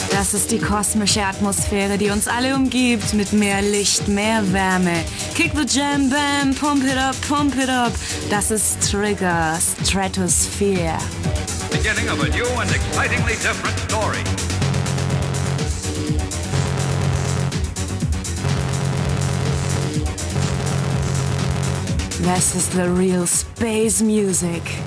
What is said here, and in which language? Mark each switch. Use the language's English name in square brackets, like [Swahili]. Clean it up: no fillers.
[German] das ist die kosmische Atmosphäre, die uns alle umgibt, mit mehr Licht, mehr Wärme. [English] Kick the jam, bam, pump it up, pump it up. [German] Das ist Trigger, Stratosphere. [English] Beginning of a new and excitingly different story. This is the real space music.